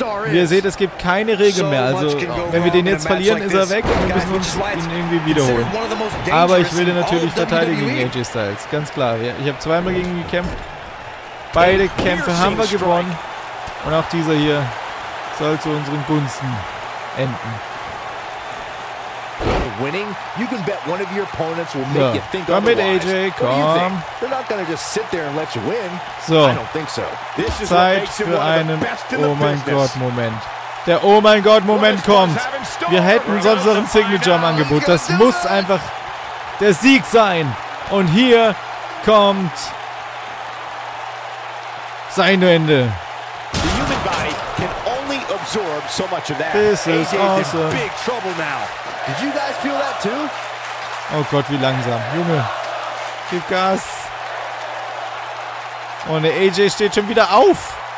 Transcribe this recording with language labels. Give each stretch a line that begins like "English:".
German: Wie ihr seht, es gibt keine Regel mehr. Also, wenn wir den jetzt verlieren, ist er weg. Und wir müssen uns ihn irgendwie wiederholen. Aber ich will den natürlich verteidigen gegen AJ Styles. Ganz klar. Ich habe 2 Mal gegen ihn gekämpft. Beide Kämpfe haben wir gewonnen. Und auch dieser hier soll zu unseren Gunsten enden.
English: Winning, you can bet one of your opponents will make you think otherwise. Come with AJ, come. They're not gonna just sit there and let you win. So, I don't think so. This is
German: Zeit für einen Oh mein Gott Moment. Der Oh mein Gott Moment kommt. Wir hätten sonst noch ein Signature im Angebot. Das muss einfach der Sieg sein. Und hier kommt sein Ende.
English: The human body can only absorb so much of that. This is awesome. AJ's in big trouble now. Did you guys feel that too?
German: Oh Gott, wie langsam. Junge, gib Gas. Und AJ steht schon wieder auf.